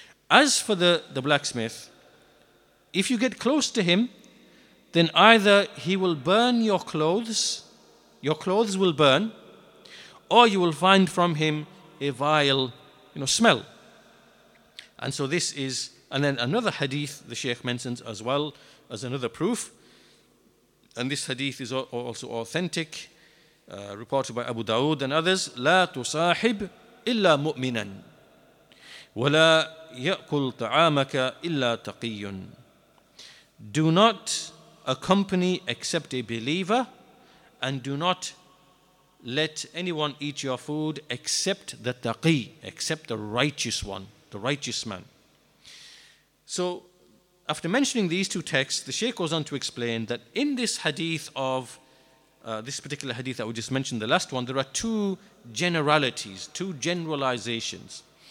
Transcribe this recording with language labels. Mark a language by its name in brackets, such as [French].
[English] As for the blacksmith, if you get close to him, then either he will burn your clothes will burn, or you will find from him a vile, you know, smell. And so this is, and then another hadith the Shaykh mentions as well as another proof, and this hadith is also authentic, reported by Abu Dawood and others. [Arabic] لا تصاحب إلا مؤمنا ولا يأكل طعامك إلا تقي. [English] Do not accompany except a believer, and do not let anyone eat your food except the taqi, except the righteous one, the righteous man. So after mentioning these two texts, the Shaykh goes on to explain that in this hadith of this particular hadith that we just mentioned, the last one, there are two generalities, two generalizations.